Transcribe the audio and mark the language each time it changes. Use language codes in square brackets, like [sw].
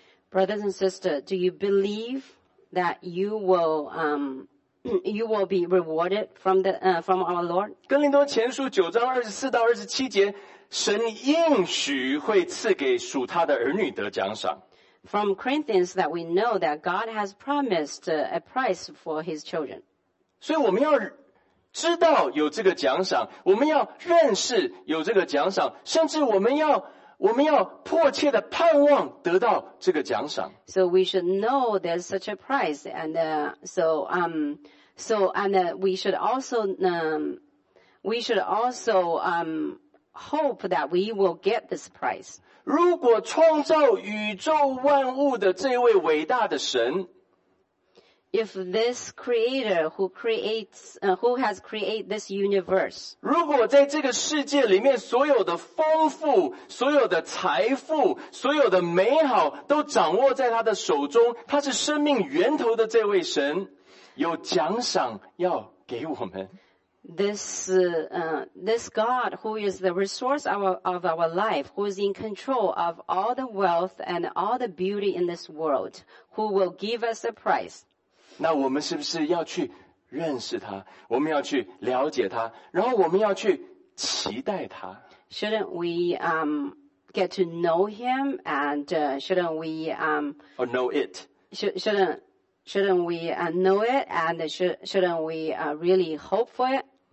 [en] Brothers and sisters, do you believe that you will be rewarded from our Lord? [zh] 哥林多前书9章24到27节，神应许会赐给属他的儿女得奖赏。 [en] From Corinthians, that we know that God has promised a price for His children. [zh] 所以我们要知道有这个奖赏，我们要认识有这个奖赏，甚至我们要。我们要迫切的盼望得到这个奖赏。 [en] So we should know there's such a prize, and we should also hope that we will get this prize. [zh] 如果创造宇宙万物的这位伟大的神， [en] If this creator who creates, who has created this universe. [zh] 如果在这个世界里面所有的丰富，所有的财富，所有的美好都掌握在他的手中，他是生命源头的这位神，有奖赏要给我们。 [en] This God who is the resource of our life, who is in control of all the wealth and all the beauty in this world, who will give us a price. [zh] 那我们是不是要去认识他，我们要去了解他，然后我们要去期待他？ [en] Shouldn't we get to know him and shouldn't we or know it? Shouldn't we know it and really hope for it?